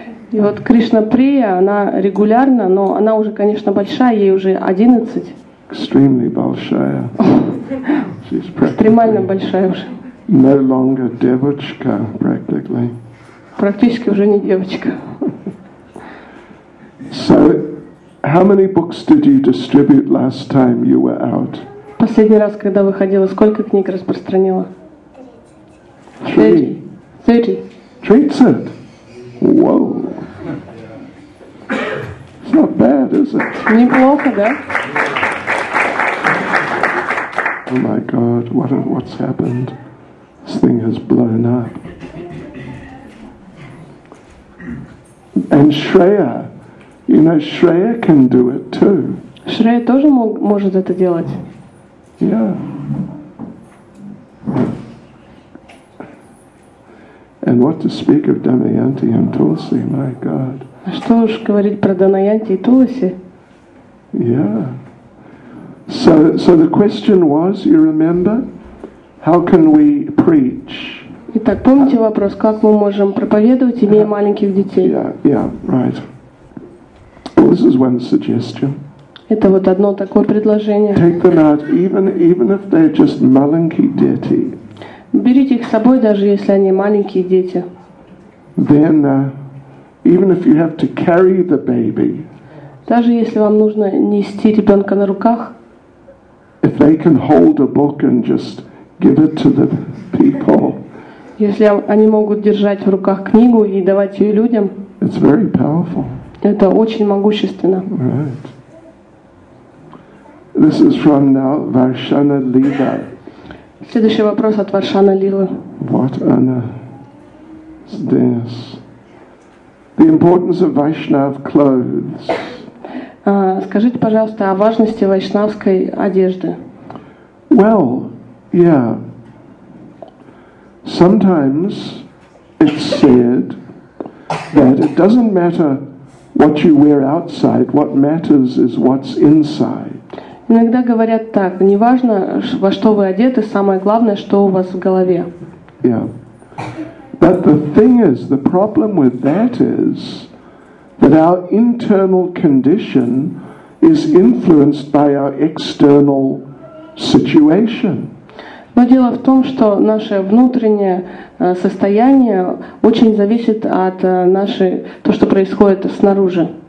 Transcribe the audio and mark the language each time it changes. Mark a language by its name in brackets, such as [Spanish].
[Russian] И вот Кришна Прия, она регулярно, но она уже, конечно, большая, ей уже 11. [English] Extremely [Russian] большая. Экстремально большая уже. [English] No longer [Russian] девочка, [English] practically. [Russian] Практически уже не девочка. [English] So, how many books did you distribute last time you were out? [Russian] Последний раз, когда выходила, сколько книг распространила? [English] 30. 30? Whoa. It's not bad, is it? [Russian] Неплохо, да? [English] Oh my God, what's happened? This thing has blown up. And Shreya, you know, Shreya can do it too. [Russian] Shreya тоже может это делать. [English] Yeah. And what to speak of Damayanti and Tulsi, my God. [Russian] А что уж говорить про Damayanti и Tulsi? [English] Yeah. So the question was, you remember, how can we preach? [Russian] Итак, помните вопрос, как мы можем проповедовать, имея маленьких детей? [English] Yeah, right. Well, this is one suggestion. [Russian] Это вот одно такое предложение. [English] Take them out, even if they're just [Russian] маленькие дети. Берите их с собой, даже если они маленькие дети. [English] Then, even if you have to carry the baby. [Russian] Даже если вам нужно нести ребенка на руках. [English] If they can hold a book and just give it to the people. [Russian] Если они могут держать в руках книгу и давать ее людям, [English] it's very powerful. [Russian] Это очень могущественно. [English] Right. This is from now Varshana Lila. [Russian] Следующий вопрос от Варшана Лилы. [English] What Anna is this? The importance of Vaishnav clothes. [Russian] Скажите, пожалуйста, о важности вайшнавской одежды. [English] Well, yeah. Sometimes it's said that it doesn't matter what you wear outside, what matters is what's inside. [Russian] Иногда говорят так, не важно, во что вы одеты, самое главное, что у вас в голове. [English] Yeah. But the thing is, the problem with that is that our internal condition is influenced by our external situation. [Russian] Но дело в том, что наше внутреннее состояние очень зависит от того, что происходит снаружи.